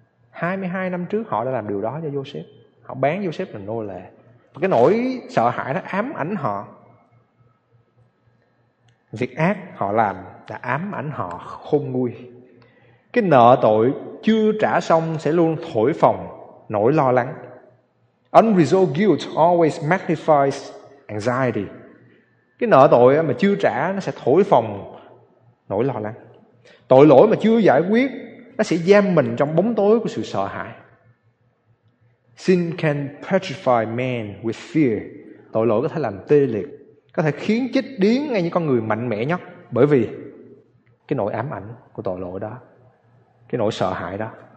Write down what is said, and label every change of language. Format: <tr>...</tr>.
<vi>22 năm trước họ đã làm điều đó cho Joseph, họ bán Joseph làm nô lệ. Và cái nỗi sợ hãi đó ám ảnh họ, việc ác họ làm đã ám ảnh họ khôn nguôi. Cái nợ tội chưa trả xong sẽ luôn thổi phồng nỗi lo lắng.</vi> <en>Unresolved guilt always magnifies anxiety.</en> <vi>Cái nợ tội mà chưa trả nó sẽ thổi phồng nỗi lo lắng. Tội lỗi mà chưa giải quyết nó sẽ giam mình trong bóng tối của sự sợ hãi.</vi> <en>Sin can petrify man with fear.</en> <vi>Tội lỗi có thể làm tê liệt, có thể khiến chết điếng ngay những con người mạnh mẽ nhất, bởi vì cái nỗi ám ảnh của tội lỗi đó, cái nỗi sợ hãi đó.</vi>